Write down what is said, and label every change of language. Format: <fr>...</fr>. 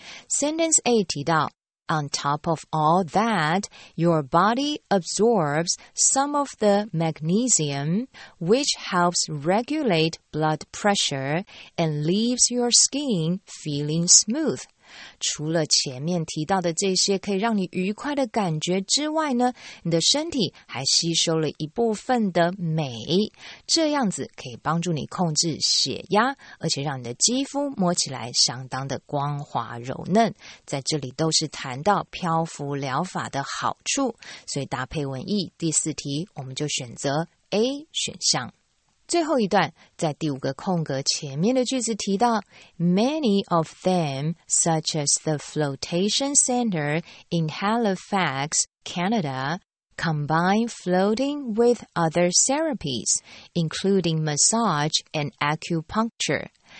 <en>Sentence A</en> <zh>提到</zh> <en>On top of all that, your body absorbs some of the magnesium, which helps regulate blood pressure and leaves your skin feeling smooth.</en> <zh>除了前面提到的这些可以让你愉快的感觉之外呢，你的身体还吸收了一部分的镁，这样子可以帮助你控制血压，而且让你的肌肤摸起来相当的光滑柔嫩。在这里都是谈到漂浮疗法的好处，所以搭配文意，第四题我们就选择 A 选项。最后一段在第五个空格前面的句子提到</zh> <en>Many of them, such as the Flotation Center in Halifax, Canada, combine floating with other therapies, including massage and acupuncture.</en>